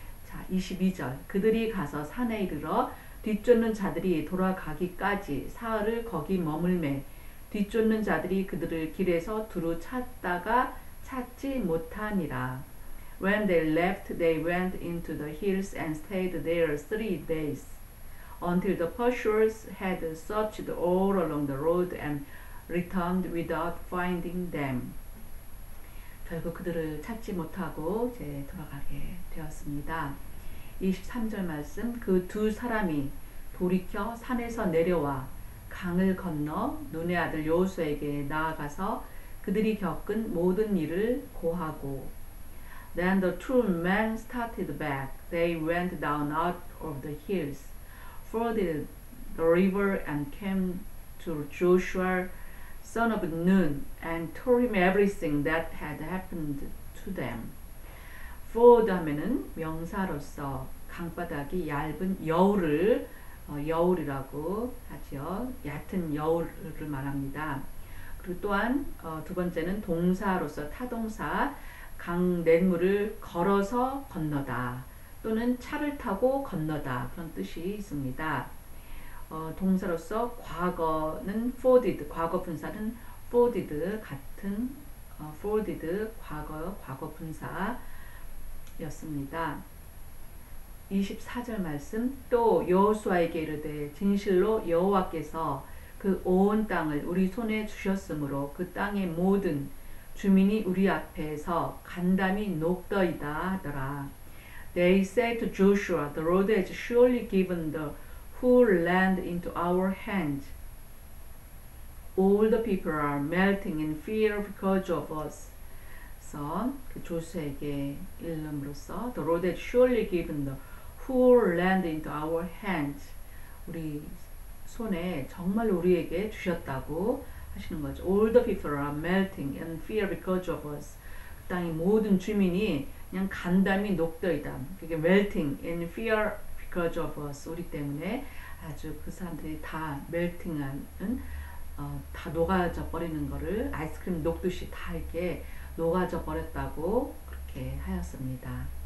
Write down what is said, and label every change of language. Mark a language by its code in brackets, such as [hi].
[ko] 자, 22절 그들이 가서 산에 이르러 뒤쫓는 자들이 돌아가기까지 사흘을 거기 머물매 뒤쫓는 자들이 그들을 길에서 두루 찾다가 찾지 못하니라. [en] When they left, they went into the hills and stayed there 3 days, until the pursuers had searched all along the road and returned without finding them. [ko] 결국 그들을 찾지 못하고 이제 돌아가게 되었습니다. 23절 말씀, 그 두 사람이 돌이켜 산에서 내려와 강을 건너 눈의 아들 여호수아에게 나아가서 그들이 겪은 모든 일을 고하고 [en] Then the two men started back. They went down out of the hills, forded the river and came to Joshua, son of Nun, and told him everything that had happened to them. [ko] Ford 하면은 명사로서 강바닥이 얇은 여울을 여울이라고 하죠. 얕은 여울을 말합니다. 그리고 또한 두 번째는 동사로서 타동사 강 냇물을 걸어서 건너다 또는 차를 타고 건너다 그런 뜻이 있습니다. 동사로서 과거는 forded, 과거 분사는 forded 같은 forded 과거 분사였습니다. 24절 말씀 또 여호수아에게 이르되 진실로 여호와께서 그 온 땅을 우리 손에 주셨으므로 그 땅의 모든 주민이 우리 앞에서 간담이 녹더이다 하더라. [en] They said to Joshua, the Lord has surely given the whole land into our hands. All the people are melting in fear because of us. So, [ko] 그 조수에게 일름으로써 [en] the Lord has surely given the whole land into our hands. [ko] 우리 손에 정말 우리에게 주셨다고 하시는 거죠. [en] All the people are melting in fear because of us. [ko] 그 땅의 모든 주민이 그냥 간담이 녹더이다. 그게 [en] melting in fear because of us. [ko] 우리 때문에 아주 그 사람들이 다 melting한 다 녹아져 버리는 거를 아이스크림 녹듯이 다 이렇게 녹아져 버렸다고 그렇게 하였습니다.